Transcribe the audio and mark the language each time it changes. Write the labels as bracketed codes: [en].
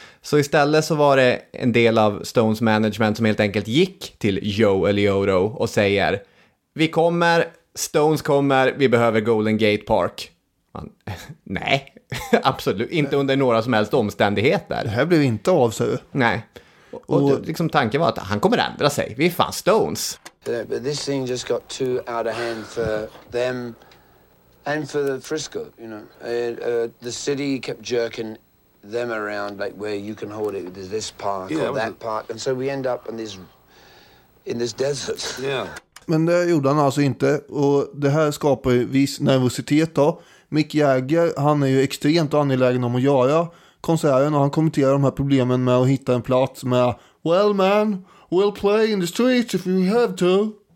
[sv] Så istället så var det en del av Stones management som helt enkelt gick till Joe Aliotto och säger, vi kommer, Stones kommer, vi behöver Golden Gate Park. Man, nej, absolut, inte under några som helst omständigheter. Det här blev inte av sig. Nej. Och liksom tanken var att han kommer ändra sig. Vi är fan Stones. [en] But this thing just got too out of hand for them and for the Frisco, you know. The city kept jerking them around, like where you can hold it, there's this park or that park, and so we end up in this desert. Yeah. [sv] Men det gjorde han alltså inte, och det här skapar ju viss nervositet då. Mick Jagger, han är ju extremt angelägen om att göra konserten, och han kommenterar de här problemen med att hitta en plats med, well man, we'll play in the streets if we have to.